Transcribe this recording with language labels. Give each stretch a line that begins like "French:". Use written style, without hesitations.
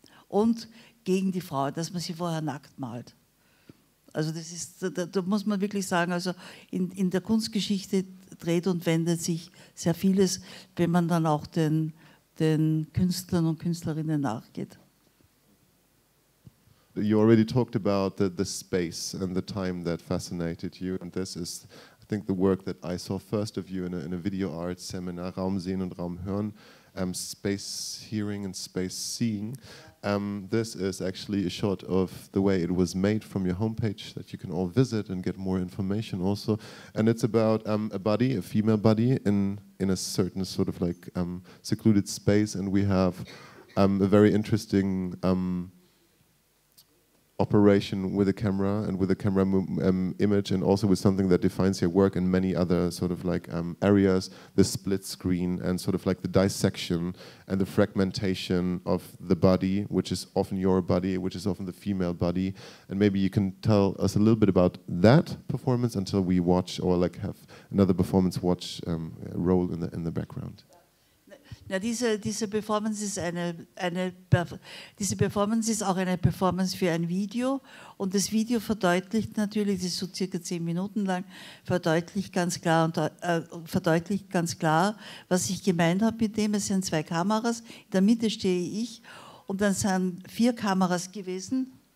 German: Und gegen die Frau, dass man sie vorher nackt malt. Also das ist, da muss man wirklich sagen, also in der Kunstgeschichte dreht und wendet sich sehr vieles, wenn man dann auch den Künstlern und Künstlerinnen nachgeht.
English: You already talked about the space and the time that fascinated you. And this is, I think, the work that I saw first of you in a video art seminar,
German: Raum sehen und Raum hören,
English: space hearing and space seeing. This is actually a shot of the way it was made from your homepage that you can all visit and get more information also. And it's about a body, a female body, in a certain sort of like secluded space. And we have a very interesting operation with a camera and with a camera image, and also with something that defines your work in many other sort of like areas, the split screen and sort of like the dissection and the fragmentation of the body, which is often your body, which is often the female body. And maybe you can tell us a little bit about that performance until we watch or like have another performance watch role in the background.
German: Ja, diese Performance ist auch eine Performance für ein Video, und das Video verdeutlicht natürlich, das ist so circa 10 Minuten lang, verdeutlicht ganz klar, was ich gemeint habe mit dem. Es sind 2 Kameras, in der Mitte stehe ich, und dann sind 4 Kameras gewesen,